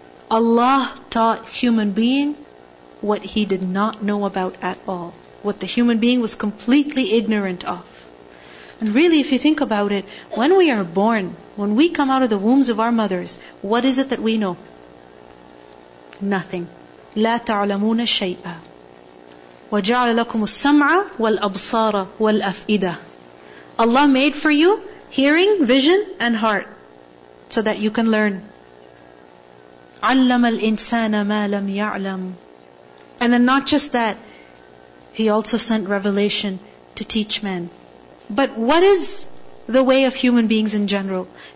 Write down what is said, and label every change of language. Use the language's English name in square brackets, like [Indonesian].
[English] Allah taught human being what he did not know about at all. What the human being was completely ignorant of. And really, if you think about it, when we are born, when we come out of the wombs of our mothers, what is it that we know? Nothing. [Arabic] لا تعلمون شيئا. وجعل لكم السمع والأبصار والأفئدة. [English] Allah made for you hearing, vision and heart so that you can learn. [Arabic] علم الإنسان ما لم يعلم. [English] And then not just that, He also sent revelation to teach men. But what is the way of human beings in general?